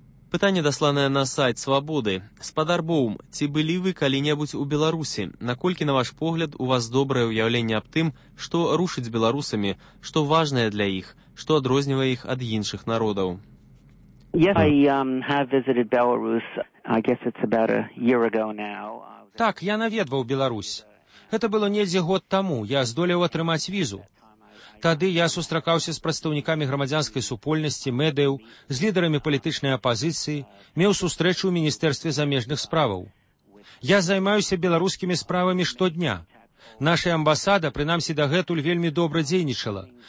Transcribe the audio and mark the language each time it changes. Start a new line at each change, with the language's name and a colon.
Belarusian: Пытанне дасланае на сайт «Свабоды». Спадар Боум, ці былі вы калі-небудзь у Беларусі? Наколькі, на ваш погляд, у вас добрае ўяўленне аб тым, што рушыць беларусамі, што важнае для іх, што адрознівае іх ад іншых народаў?
English: Yes, I have visited Belarus. I guess it's about a year ago now.
Belarusian: Так, я наведваў Беларусь. Гэта было недзе год таму, я здолеў атрымаць візу. Тады я сустракаўся з прадстаўнікамі грамадзянскай супольнасці, медыяў, з лідарамі палітычнай апазіцыі, меў сустрэчу ў Міністэрстве замежных справаў. Я займаюся беларускімі справамі штодня. Наша амбасада, прынамсі дагэтуль, вельмі добра дзейнічала.